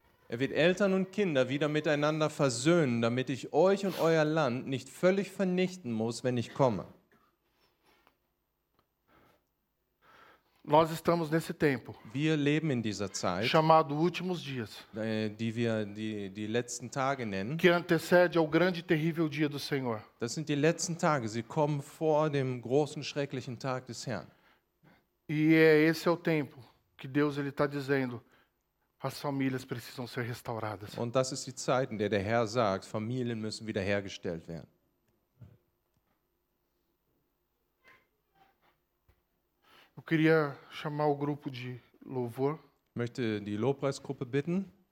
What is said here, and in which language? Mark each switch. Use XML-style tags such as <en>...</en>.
<de>Er wird Eltern und Kinder wieder miteinander versöhnen, damit ich euch und euer Land nicht völlig vernichten muss, wenn ich komme.</de> <pt>Nós estamos nesse tempo.</pt> <de>Wir leben in dieser Zeit.</de> <pt>Chamado últimos dias.</pt> <de>Die letzten Tage nennen.</de> <pt>Que antecede ao grande e terrível dia do Senhor.</pt> <de>Das sind die letzten Tage. Sie kommen vor dem großen schrecklichen Tag des Herrn.</de> <pt>E é esse é o tempo que Deus ele está dizendo. As famílias precisam ser restauradas.</pt> <de>Und das ist die Zeit, in der der Herr sagt, Familien müssen wiederhergestellt werden.</de> <pt>Eu queria chamar o grupo de louvor.</pt> <de>Ich möchte die Lobpreisgruppe bitten.</de>